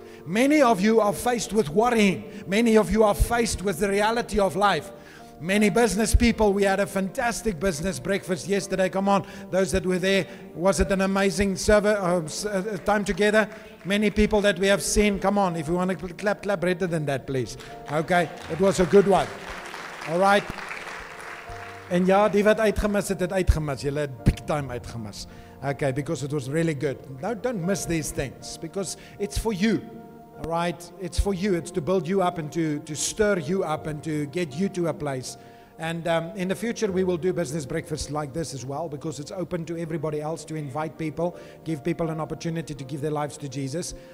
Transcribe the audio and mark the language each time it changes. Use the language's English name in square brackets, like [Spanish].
[English] Many of you are faced with worrying. Many of you are faced with the reality of life. Many business people, we had a fantastic business breakfast yesterday. Come on, those that were there, was it an amazing time together? Many people that we have seen, come on, if you want to clap, clap better than that, please. Okay, it was a good one. All right. And yeah, [Afrikaans] die wat uitgemis het uitgemis. Jy het big time uitgemis. [English] Okay, because it was really good. No, don't miss these things, because it's for you. All right, it's for you. It's to build you up and to stir you up and to get you to a place. And in the future, we will do business breakfast like this as well, because it's open to everybody else to invite people, give people an opportunity to give their lives to Jesus.